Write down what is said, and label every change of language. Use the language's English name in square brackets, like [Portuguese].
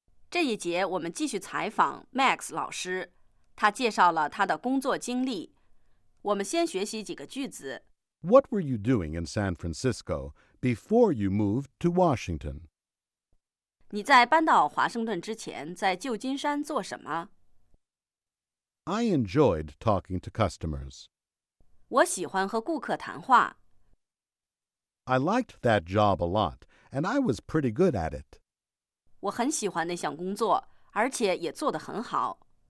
[Chinese] 这一节我们继续采访 Max 老师，他介绍了他的工作经历。我们先学习几个句子。 [English] What were you doing in San Francisco before you moved to Washington? [Chinese] 你在搬到华盛顿之前在旧金山做什么？ [English] I enjoyed talking to customers. [Chinese] 我喜欢和顾客谈话。 [English] I liked that job a lot, and I was pretty good at it. [Chinese] 我很喜欢那项工作，而且也做得很好。